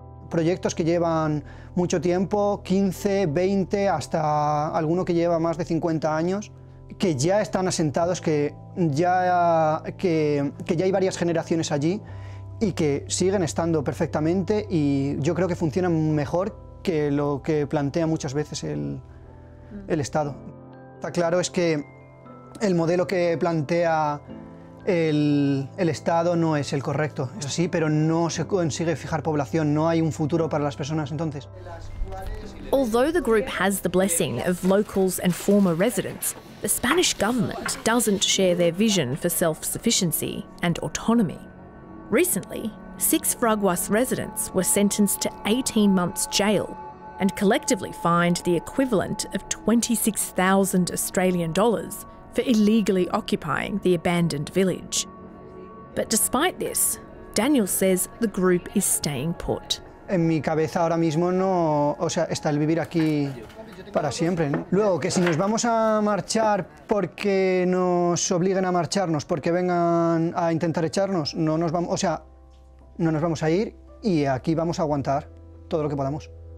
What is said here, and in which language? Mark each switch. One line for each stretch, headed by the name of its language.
Spanish: Proyectos que llevan mucho tiempo, 15, 20, hasta alguno que lleva más de 50 años, que ya están asentados, que ya hay varias generaciones allí y que siguen estando perfectamente y yo creo que funcionan mejor que lo que plantea muchas veces el Estado. Está claro es que el modelo que plantea el Estado no es el correcto. Es así, pero no se consigue fijar población, no hay un futuro para las personas entonces.
English: Although the group has the blessing of locals and former residents, the Spanish government doesn't share their vision for self-sufficiency and autonomy. Recently, 6 Fraguas residents were sentenced to 18 months jail and collectively fined the equivalent of $26,000 Australian dollars for illegally occupying the abandoned village. But despite this, Daniel says the group is staying put.
Spanish: En mi cabeza ahora mismo no, o sea, está el vivir aquí para siempre, ¿no? Luego, que si nos vamos a marchar porque nos obliguen a marcharnos, porque vengan a intentar echarnos, no nos vamos a ir y aquí vamos a aguantar todo lo que podamos.